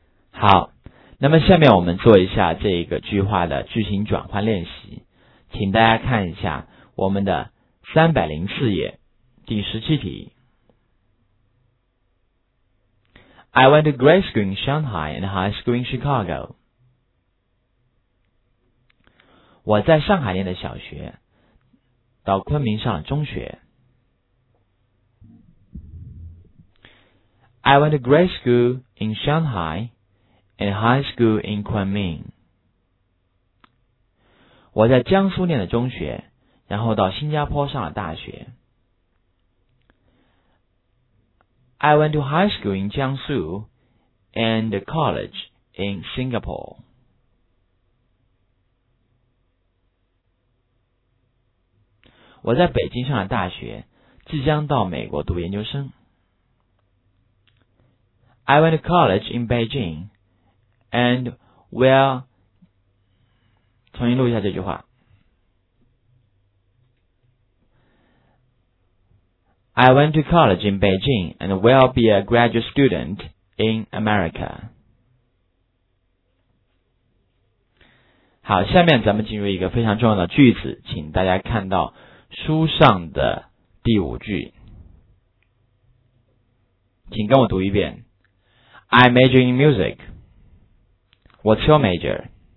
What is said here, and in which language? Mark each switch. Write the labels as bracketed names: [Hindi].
[Chinese] 好，那么下面我们做一下这一个句话的句型转换练习，请大家看一下我们的304页第17题。 [English] I went to grade school in Shanghai and high school in Chicago. [Chinese] 我在上海念的小学，到昆明上了中学。 [English] I went to grade school in Shanghai and high school in Kunming. [Chinese] 我在江苏念的中学，然后到新加坡上了大学。 [English] I went to high school in Jiangsu and college in Singapore. [Chinese] 我在北京上了大学，即将到美国读研究生。 [English] I went to college in Beijing, and well, [Chinese] 重新录一下这句话。 [English] I went to college in Beijing and will be a graduate student in America. [Chinese] 好，下面咱们进入一个非常重要的句子，请大家看到书上的第五句。请跟我读一遍。 [English] I major in music. What's your major?